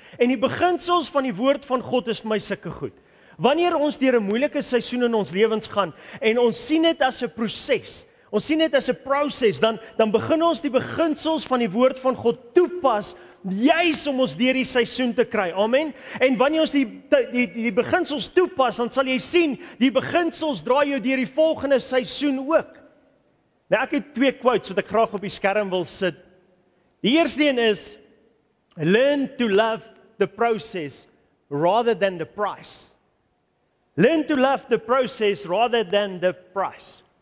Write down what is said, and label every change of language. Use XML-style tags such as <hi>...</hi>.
<af>En die beginsels van die woord van God is vir my sulke goed. Wanneer ons deur 'n moeilike seisoen in ons lewens gaan en ons sien dit as 'n proses, ons sien dit as 'n proses, dan begin ons die beginsels van die woord van God toepas juis om ons deur die seisoen te kry. Amen. En wanneer ons die beginsels toepas, dan sal jy sien die beginsels dra jou deur die volgende seisoen ook. Nou ek het twee quotes wat ek graag op die skerm wil sit.</af> <en>Die eerste een is learn to love the process rather than the price. Learn to love the process rather than the price.</en>